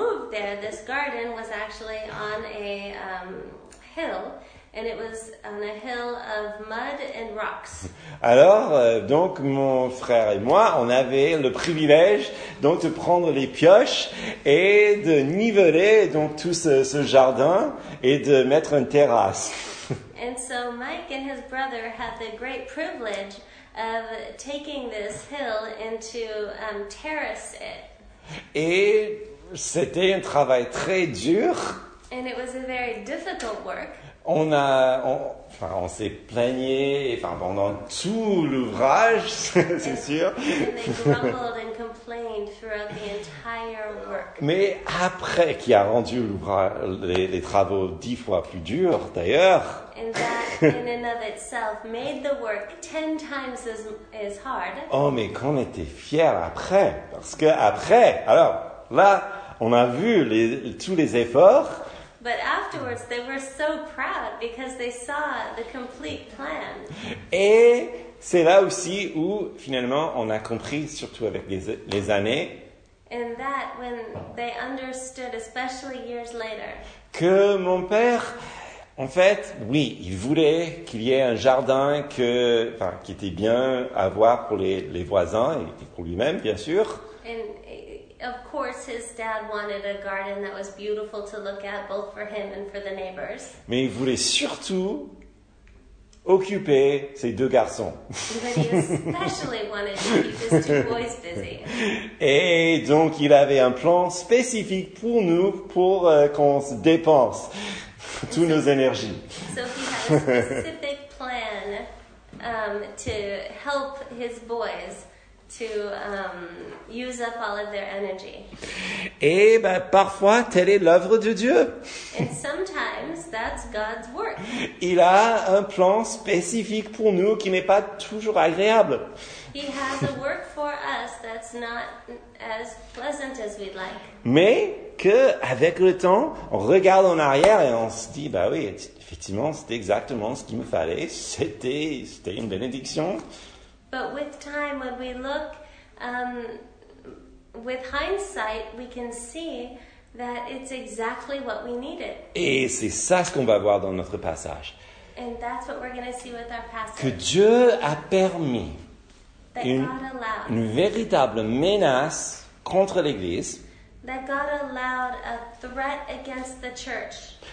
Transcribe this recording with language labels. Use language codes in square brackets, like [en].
[en] There, this garden was actually on a hill, and it was on a hill of mud and rocks. [fr] Alors, donc, mon frère et moi, on avait le privilège donc de prendre les pioches et de niveler donc tout ce jardin et de mettre une terrasse. [en] And so Mike and his brother had the great privilege of taking this hill and to terrace it. [fr] Et c'était un travail très dur. [en] And it was a very difficult work. [fr] On s'est plaigné pendant tout l'ouvrage, c'est sûr. [en] And they grumbled and complained throughout the entire work. [fr] Mais après, qui a rendu les travaux 10 fois plus durs, d'ailleurs. [en] And that, in and of itself, made the work 10 times as hard. [fr] Oh, mais qu'on était fiers après. Parce que après, alors... Là, on a vu tous les efforts. [en] But afterwards, they were so proud because they saw the complete plan. [fr] Et c'est là aussi où, finalement, on a compris, surtout avec les années. [en] And that when they understood, especially years later. [fr] Que mon père, en fait, oui, il voulait qu'il y ait un jardin qui était bien à voir pour les voisins et pour lui-même, bien sûr. [en] Of course, his dad wanted a garden that was beautiful to look at, both for him and for the neighbors. [fr] Mais il voulait surtout occuper ses deux garçons. [en] But he especially wanted to keep his two boys busy. [fr] Et donc, il avait un plan spécifique pour nous, pour qu'on se dépense toutes nos énergies. [en] So he had a specific plan to help his boys. To use up all of their energy. [fr] Et parfois, telle est l'œuvre de Dieu. [en] And sometimes that's God's work. [fr] Il a un plan spécifique pour nous qui n'est pas toujours agréable. [en] He has a work for us that's not as pleasant as we'd like. [fr] Mais qu'avec le temps, on regarde en arrière et on se dit, oui, effectivement, c'était exactement ce qu'il me fallait. C'était une bénédiction. [en] But with time, when we look with hindsight, we can see that it's exactly what we needed. [fr] Et c'est ça ce qu'on va voir dans notre passage. [en] And that's what we're going to see with our passage. [fr] Que Dieu a permis une véritable menace contre l'Église. [en] That God allowed a threat against the church.